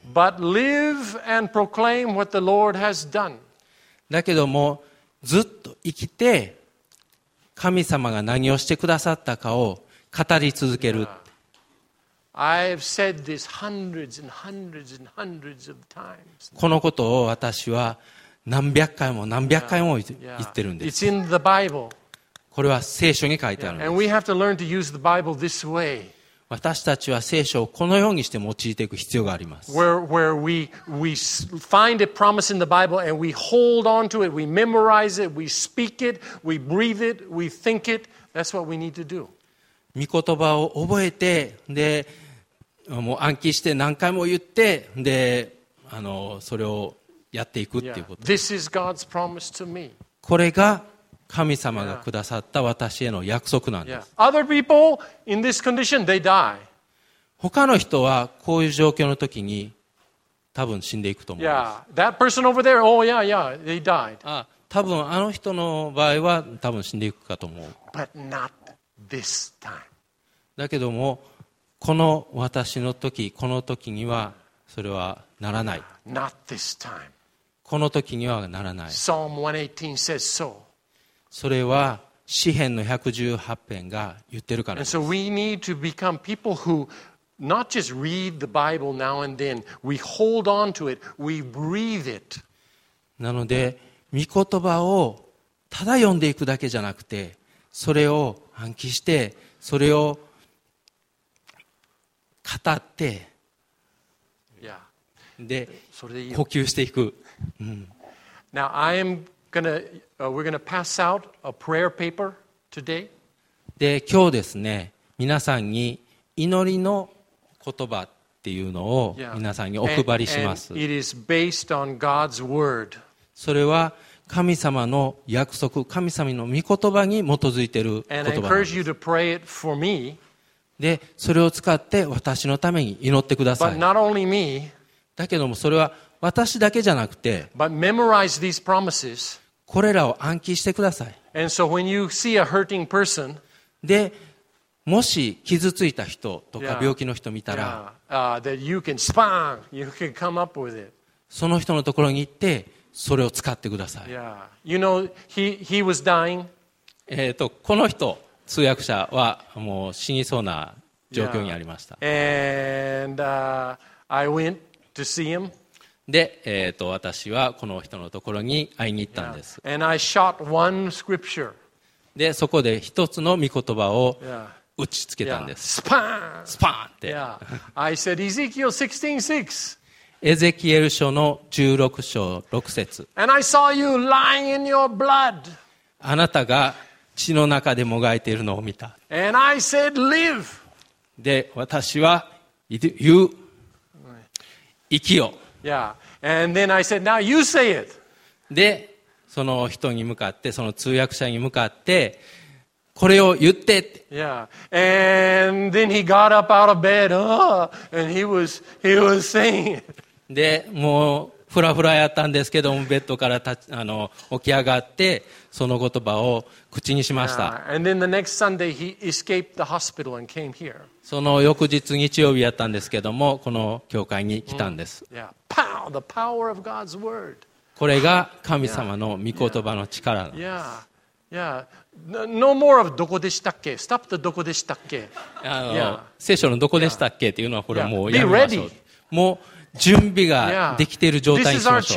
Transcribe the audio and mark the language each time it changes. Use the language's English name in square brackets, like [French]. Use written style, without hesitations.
[English] But live and proclaim what the Lord has done. [Japanese] だけどもずっと生きて神様が何をしてくださったかを語り続ける。 [English] Yeah. I've said this hundreds and hundreds and hundreds of times. [Japanese] このことを私は何百回も何百回も言ってるんです。 [English] Yeah. Yeah. It's in the Bible. [Japanese] これは聖書に書いてあるんです。私たちは聖書をこのようにして用いていく必要があります。 [English] Where we find a promise in the Bible and we hold on to it, we memorize it, we speak it, we breathe it, we think it. That's what we need to do. [Japanese] 御言葉を覚えて、で、もう暗記して何回も言って、で、それをやっていくっていうこと。 [English] This is God's promise to me. [Japanese] これが神様がくださった私への約束なんです。 [English] Yeah. Other people in this condition, they die. [Japanese] 他の人はこういう状況の時に多分死んでいくと思います。 [English] Yeah. That person over there, oh yeah, yeah, they died. [Japanese] 多分あの人の場合は多分死んでいくかと思う。 [English] But not this time. [Japanese] だけどもこの私の時、この時にはそれはならない。 [English] Not this time. [Japanese] この時にはならない。 [English] Psalm 118 says so. [Japanese] それは詩編の118編が言ってるからです。 [English] So we need to become people who not just read the Bible now and then, we hold on to it, we breathe it. [Japanese] なので御言葉をただ読んでいくだけじゃなくて、それを暗記して、それを語って、で呼吸していく。 [English] Now I am gonna, we're gonna pass out a prayer paper today. [Japanese] で今日ですね、皆さんに祈りの言葉っていうのを皆さんにお配りします。 [English] And it is based on God's word. [Japanese] それは神様の約束、神様の御言葉に基づいている言葉なんです。 [English] And I encourage you to pray it for me. [Japanese] で、それを使って私のために祈ってください。 [English] But not only me, [Japanese] だけどもそれは私だけじゃなくて、 [English] But memorize these promises, [Japanese] これらを暗記してください。 [English] And so when you see a hurting person, [Japanese] で、もし傷ついた人とか病気の人見たら、 [English] that you can spawn, you can come up with it. [Japanese] その人のところに行って、それを使ってください。 [English] Yeah. You know, he was dying. [Japanese] この人、通訳者はもう死にそうな状況にありました。 [English] I went to see him. [Japanese] で、私はこの人のところに会いに行ったんです。 [English] Yeah. And I shot one scripture. [Japanese] で、そこで一つの御言葉を打ちつけたんです。 Yeah. スパーン！スパーンって。 [English] Yeah. I said, Ezekiel 16:6. [Japanese] エゼキエル書の16章6節 [English] And I saw you lying in your blood. [Japanese] あなたが血の中でもがいているのを見た [English] And I said, Live. [Japanese] で私は言う生きよ、 [English] yeah. And then I said, Now you say it. [Japanese] でその人に向かってその通訳者に向かってこれを言っ て、 [English] yeah. And then he got up out of bed, and he was saying. [Japanese] で、もうフラフラやったんですけど、ベッドから起き上がってその言葉を口にしました。 [English] Yeah. And then the next Sunday he escaped the hospital and came here. [Japanese] その翌日日曜日やったんですけども、この教会に来たんです。 [English] Mm. Yeah. Pow! The power of God's word. [Japanese] これが神様の御言葉の力なんです。 [English] Yeah. Yeah. No more of [Japanese] どこでしたっけ [English] Stop the どこでしたっけ [Japanese] 聖書のどこでしたっけっていうのはこれはもうやめましょう。もう準備ができている状態にしましょう。